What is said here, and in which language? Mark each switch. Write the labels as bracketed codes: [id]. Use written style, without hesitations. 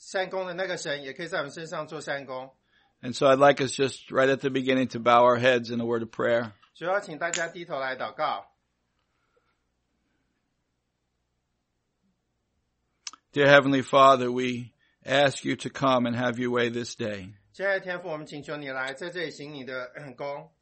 [zh] 愿着那个坐在他们身上的善工的那个神，也可以在我们身上做善工。 [en] And so I'd like us just right at the beginning to bow our heads in a word of prayer. [zh] 主要请大家低头来祷告。 [en] Dear Heavenly Father, we ask you to come and have your way this day. [zh] 亲爱的天父，我们请求你来，在这里行你的工。